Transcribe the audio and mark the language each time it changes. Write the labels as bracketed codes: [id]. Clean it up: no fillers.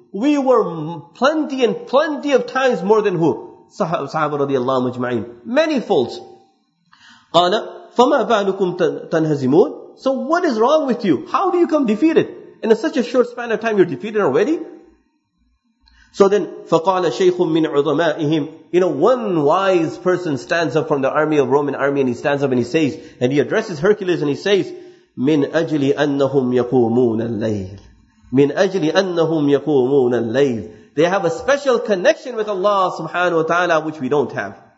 [en] We were plenty and plenty of times more than who? Sahaba radiallahu ajma'in. Many folds. [ar] قَالَ فَمَا بَعْلُكُمْ تَنْهَزِمُونَ. [en] So what is wrong with you? How do you come defeated? In such a short span of time, you're defeated already? So then, [ar] فَقَالَ شَيْخٌ مِّنْ عُظَمَائِهِمْ. [en] You know, one wise person stands up from the army of Roman army, and he stands up and he says, and he addresses Hercules and he says, [ar] مِنْ أَجْلِ أَنَّهُمْ يَقُومُونَ اللَّيْلِ. مِنْ أَجْلِ أَنَّهُمْ يَقُومُونَ اللَّيْلِ. [en] They have a special connection with Allah subhanahu wa ta'ala which we don't have.